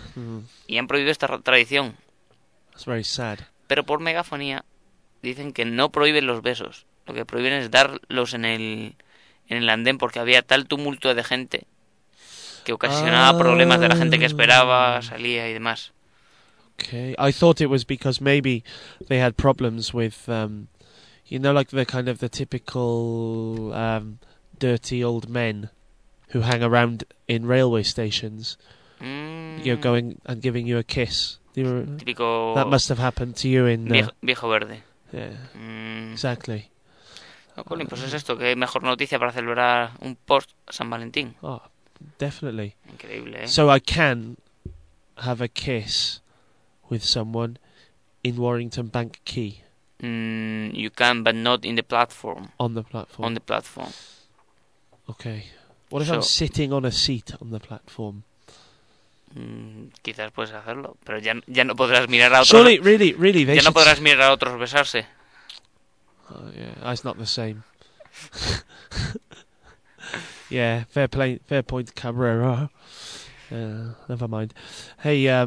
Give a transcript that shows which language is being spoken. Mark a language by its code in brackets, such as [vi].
[es] Mm. Y han prohibido esta tradición. [en] That's very sad. [es] Pero por megafonía dicen que no prohíben los besos. Lo que prohíben es darlos en el andén porque había tal tumulto de gente que ocasionaba problemas de la gente que esperaba, salía y demás. [en] Okay, I thought it was because maybe they had problems with, you know, like the kind of the typical dirty old men who hang around in railway stations, you know, going and giving you a kiss. [es] Típico. [en] That must have happened to you in [es] Viejo Verde. [en] Yeah, exactly. [es] No, Colin, pues es esto, qué mejor noticia para celebrar un post San Valentín. [en] Oh. Definitely. [es] Increíble, ¿eh? [en] So I can have a kiss with someone in Warrington Bank Quay. You can, but not in the platform. On the platform. On the platform. Okay. What if I'm sitting on a seat on the platform? [es] Quizás puedes hacerlo, pero ya no podrás mirar a otros. [en] Surely, really, [es] ya no podrás mirar a otros besarse. [en] Yeah, it's not the same. Yeah, fair point, Cabrera. Never mind. Hey,